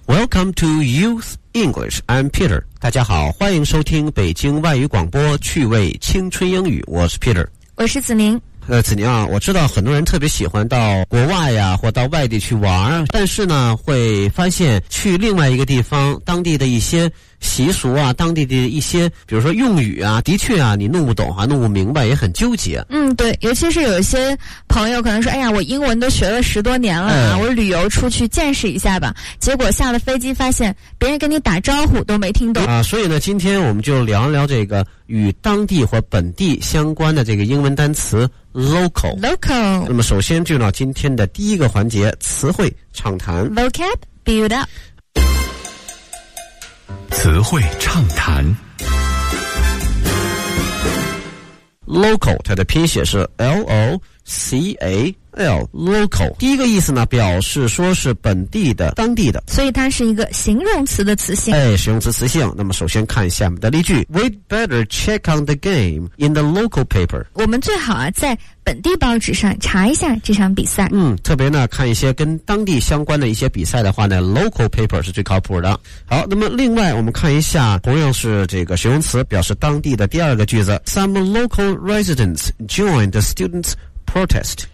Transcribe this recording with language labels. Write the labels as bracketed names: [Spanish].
[English] Welcome to Youth English. I'm Peter. [Chinese] 大家好，欢迎收听北京外语广播趣味青春英语。我是 Peter。我是子宁。子宁啊，我知道很多人特别喜欢到国外呀，或到外地去玩，但是呢，会发现去另外一个地方，当地的一些习俗啊，当地的一些，比如说用语啊，的确啊，你弄不懂啊，弄不明白，也很纠结。嗯，对，尤其是有一些朋友可能说，哎呀，我英文都学了十多年了啊，我旅游出去见识一下吧，结果下了飞机发现别人跟你打招呼都没听懂啊。所以呢，今天我们就聊一聊这个与当地或本地相关的这个英文单词。 [English] Local. Local. [Chinese] 那么首先进入到今天的第一个环节，词汇畅谈。 [English] Vocab build up. [Chinese] 词汇畅谈。 Local, 它的拼写是 L-O-C-A-L, local. 第一个意思呢，表示说是本地的，当地的。所以它是一个形容词的词性。哎，形容词词性。那么首先看下面的例句。 [English] We'd better check on the game in the local paper. [Chinese] 我们最好啊，在本地报纸上查一下这场比赛。嗯，特别呢，看一些跟当地相关的一些比赛的话呢 ，local paper 是最靠谱的。好，那么另外我们看一下，同样是这个形容词，表示当地的第二个句子 ， Some local residents joined the students protest。